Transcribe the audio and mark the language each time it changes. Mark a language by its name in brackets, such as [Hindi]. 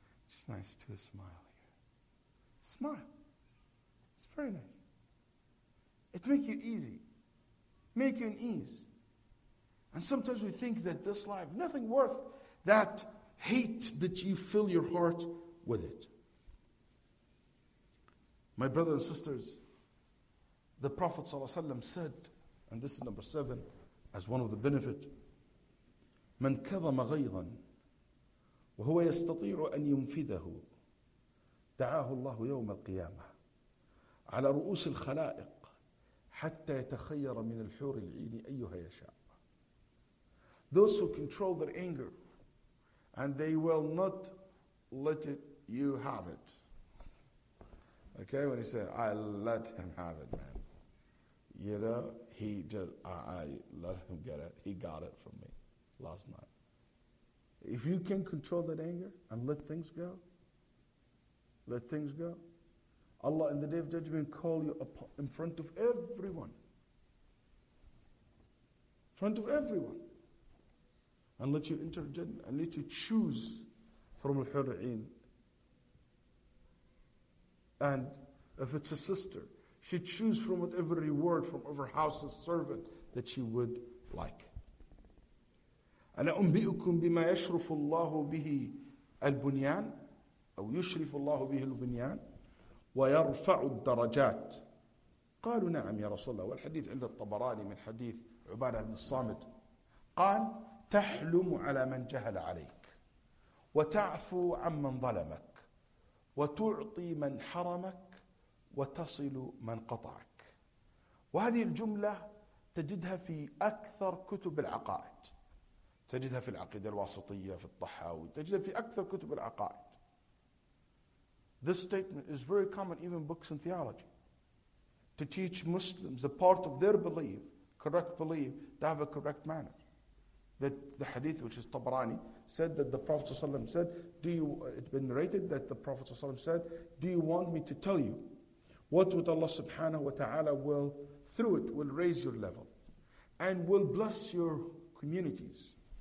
[English] It's nice to smile here. Smile. It's very nice. It makes you easy. Make you an ease. And sometimes we think that this life, nothing worth that hate that you fill your heart with it. My brothers and sisters, the Prophet ﷺ said, and this is number 7, as one of the benefit, [Arabic] مَنْ كَظَمَ غَيْظًا وَهُوَ يَسْتَطِيعُ أَنْ يُنْفِذَهُ دَعَاهُ اللَّهُ يَوْمَ الْقِيَامَةِ عَلَى رُؤُوسِ الْخَلَائِقِ حَتَّى يَتَخَيَّرَ مِنَ الْحُورِ الْعِينِ أَيُّهَا يَشَاءُ. [English] Those who control their anger, and they will not let it, you have it. Okay, when he said, I let him have it, man. You know, he just, I let him get it. He got it from me last night. If you can control that anger and let things go, let things go. Allah in the day of judgment call you up in front of everyone. In front of everyone. And let you enter Jannah and let you choose from al-hur'in. And if it's a sister, she choose from whatever reward from her house's servant that she would like. [Arabic] أَنَا أُنْبِئُكُمْ بِمَا يَشْرُفُ اللَّهُ بِهِ الْبُنْيَانِ أو يُشْرِفُ اللَّهُ بِهِ الْبُنْيَانِ وَيَرْفَعُ الدَّرَجَاتِ قَالُوا نَعَمْ يَا رَسُولَ اللَّهُ والحديث عند الطبراني من حديث عبادة بن الصامت قال تحلم على من جهل عليك وتعفو عن من ظلمك وتعطي من حرمك وتصل من قطعك. وهذه الجملة تجدها في أكثر كتب العقائد. تجدها في العقيدة الواسطية في الطحاوي. تجدها في أكثر كتب العقائد. [English] This statement is very common even books in theology. To teach Muslims a part of their belief, correct belief, to have a correct manner. That the hadith, which is Tabarani, said that the Prophet ﷺ said, it's been narrated that the Prophet ﷺ said, do you want me to tell you what would Allah subhanahu wa ta'ala will, through it, will raise your level and will bless your communities?